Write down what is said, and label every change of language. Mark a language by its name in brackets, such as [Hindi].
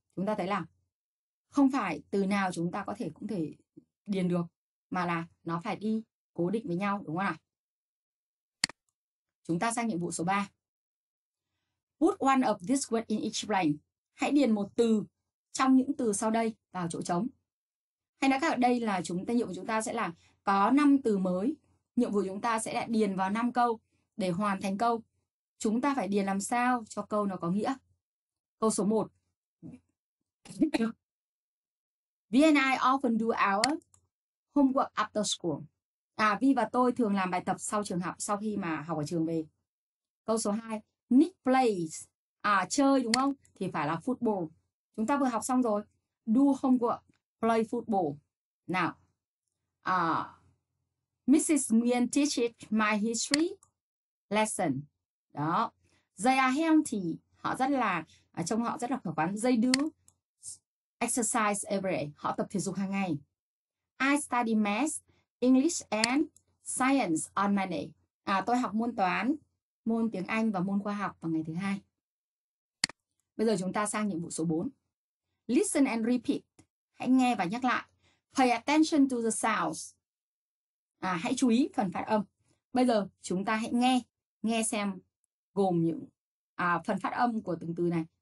[Vietnamese] Chúng ta thấy là không phải từ nào chúng ta có thể cũng thể điền được, mà là nó phải đi cố định với nhau, đúng không nào? Chúng ta sang nhiệm vụ số 3. [English] Put one of this word in each blank. [Vietnamese] Hãy điền một từ trong những từ sau đây vào chỗ trống. Hay nói cách ở đây là chúng ta, nhiệm vụ chúng ta sẽ là có 5 từ mới. Nhiệm vụ chúng ta sẽ điền vào 5 câu để hoàn thành câu. Chúng ta phải điền làm sao cho câu nó có nghĩa. Câu số 1. [English] Vi and I often do our homework after school. [Vietnamese] Vi và tôi thường làm bài tập sau trường học, sau khi mà học ở trường về. Câu số 2. [English] Nick plays. [Vietnamese] Chơi đúng không? Thì phải là football. Chúng ta vừa học xong rồi. [English] Do homework, play football. Nào. Mrs. Nguyen teaches my history lesson. Đó. They are healthy. [Vietnamese] Họ rất là, trông họ rất là khỏe khoắn. [English] They do exercise every day. [Vietnamese] Họ tập thể dục hàng ngày. [English] I study math, English and science on Monday. [Vietnamese] Tôi học môn toán, môn tiếng Anh và môn khoa học vào ngày thứ hai. Bây giờ chúng ta sang nhiệm vụ số 4. [English] Listen and repeat. [Vietnamese] Hãy nghe và nhắc lại. [English] Pay attention to the sounds. [Vietnamese] Hãy chú ý phần phát âm. Bây giờ chúng ta hãy nghe xem gồm những phần phát âm của từng từ này.